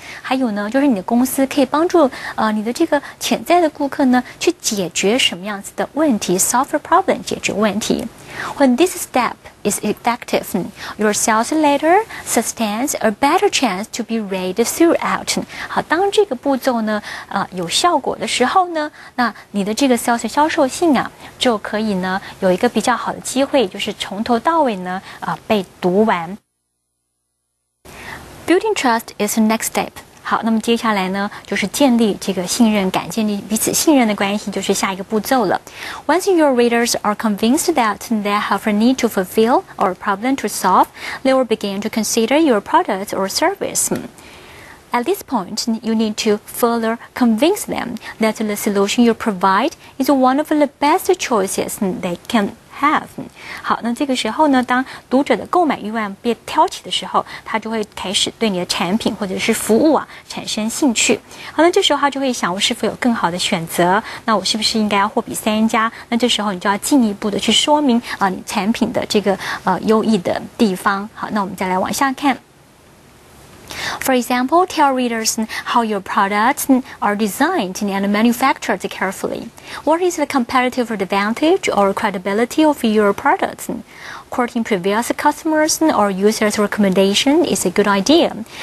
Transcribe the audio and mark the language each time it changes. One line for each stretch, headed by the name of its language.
Chinese: 还有呢，就是你的公司可以帮助你的这个潜在的顾客呢，去解决什么样子的问题 ？
English: Solve a problem，
Chinese: 解决问题。
English: When this step is effective, your sales letter sustains a better chance to be read throughout.
Chinese: 好，当这个步骤呢，有效果的时候呢，那你的这个 sales 销售信啊，就可以呢，有一个比较好的机会，就是从头到尾呢，被读完。
English: Building trust is the next step.
Chinese: 好，那么接下来呢，就是建立这个信任感，建立彼此信任的关系，就是下一个步骤了。
English: Once your readers are convinced that they have a need to fulfill or a problem to solve, they will begin to consider your product or service. At this point, you need to further convince them that the solution you provide is one of the best choices they can have.
Chinese: 好，那这个时候呢，当读者的购买欲望被挑起的时候，他就会开始对你的产品或者是服务啊产生兴趣。好，那这时候他就会想，我是否有更好的选择？那我是不是应该要货比三家？那这时候你就要进一步的去说明啊，你产品的这个优异的地方。好，那我们再来往下看。
English: For example, tell readers how your products are designed and manufactured carefully. What is the competitive advantage or credibility of your products? Quoting previous customers or users' recommendation is a good idea.